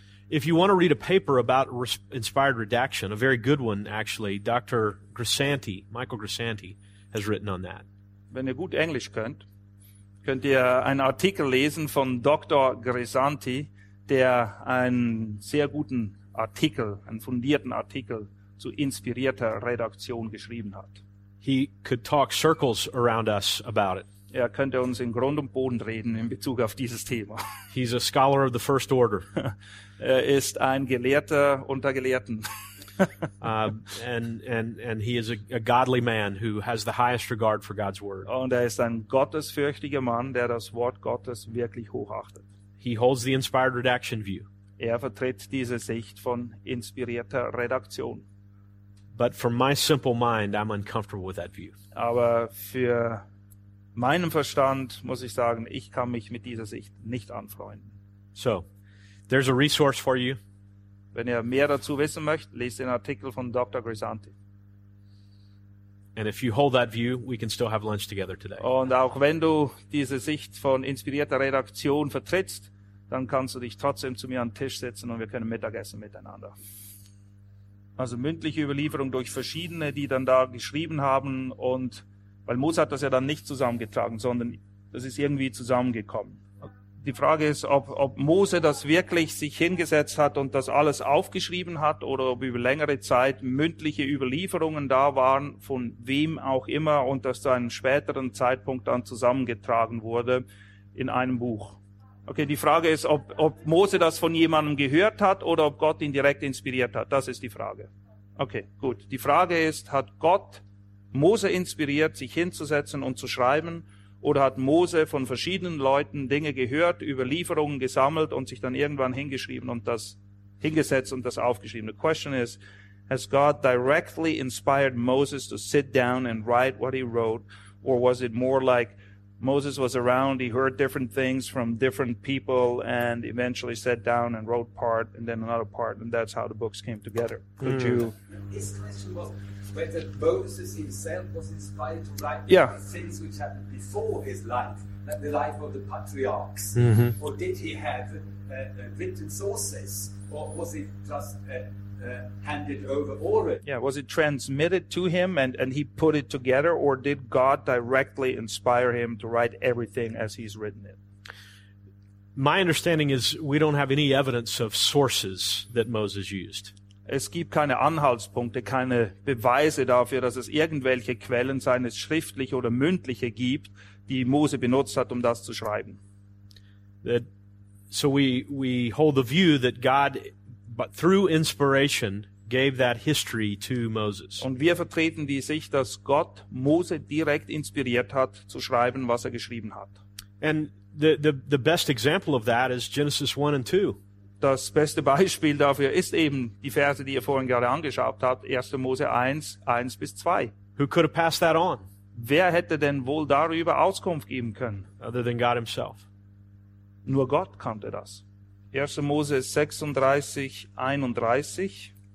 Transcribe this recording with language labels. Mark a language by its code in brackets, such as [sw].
[en] If you want to read a paper about inspired redaction, a very good one actually, Dr. Grisanti, Michael Grisanti, has written on that. [de] Wenn ihr gut Englisch könnt, könnt ihr einen Artikel lesen von Dr. Grisanti, der einen sehr guten Artikel, einen fundierten Artikel zu inspirierter Redaktion geschrieben hat. [en] He could talk circles around us about it. [de] Er könnte uns in Grund und Boden reden in Bezug auf dieses Thema. [en] He's a scholar of the first order. [de] Er ist ein Gelehrter unter Gelehrten. [en] And he is a godly man who has the highest regard for God's word. [de] Und er ist ein gottesfürchtiger Mann, der das Wort Gottes wirklich hochachtet. [en] He holds the inspired redaction view. [de] Er vertritt diese Sicht von inspirierter Redaktion. [en] But for my simple mind, I'm uncomfortable with that view. [de] Aber für meinem Verstand muss ich sagen, ich kann mich mit dieser Sicht nicht anfreunden. [en] So, there's a resource for you. [de] Wenn ihr mehr dazu wissen möchtet, lest den Artikel von Dr. Grisanti. [en] And if you hold that view, we can still have lunch together today. [de] Und auch wenn du diese Sicht von inspirierter Redaktion vertrittst, dann kannst du dich trotzdem zu mir an den Tisch setzen und wir können Mittagessen miteinander. Also mündliche Überlieferung durch verschiedene, die dann da geschrieben haben und weil Mose hat das ja dann nicht zusammengetragen, sondern das ist irgendwie zusammengekommen. Die Frage ist, ob Mose das wirklich sich hingesetzt hat und das alles aufgeschrieben hat oder ob über längere Zeit mündliche Überlieferungen da waren, von wem auch immer, und das zu einem späteren Zeitpunkt dann zusammengetragen wurde in einem Buch. Okay, die Frage ist, ob Mose das von jemandem gehört hat oder ob Gott ihn direkt inspiriert hat. Das ist die Frage. Okay, gut. Die Frage ist, hat Gott Mose inspiriert, sich hinzusetzen und zu schreiben, oder hat Mose von verschiedenen Leuten Dinge gehört, Überlieferungen gesammelt und sich dann irgendwann hingesetzt und das aufgeschrieben? [en] The question is, has God directly inspired Moses to sit down and write what he wrote, or was it more like Moses was around, he heard different things from different people and eventually sat down and wrote part and then another part, and that's how the books came together? Could you? His question was whether Moses himself was inspired to write the things which happened before his life, like the life of the patriarchs, or did he have written sources or was it just handed over already? Yeah, was it transmitted to him and he put it together, or did God directly inspire him to write everything as he's written it? My understanding is we don't have any evidence of sources that Moses used. [de] Es gibt keine Anhaltspunkte, keine Beweise dafür, dass es irgendwelche Quellen, seien es schriftliche oder mündliche, gibt, die Mose benutzt hat, um das zu schreiben. [en] So we hold the view that God, but through inspiration, gave that history to Moses. [de] Und wir vertreten die Sicht, dass Gott Mose direkt inspiriert hat, zu schreiben, was er geschrieben hat. [en] And the best example of that is Genesis 1 and 2. [de] Das beste Beispiel dafür ist eben die Verse, die ihr vorhin gerade angeschaut habt, 1. Mose 1, 1 bis 2. [en] Who could have passed that on? [de] Wer hätte denn wohl darüber Auskunft geben können? [en] Other than God himself. [de] Nur Gott konnte das. 1. Mose 36, 31.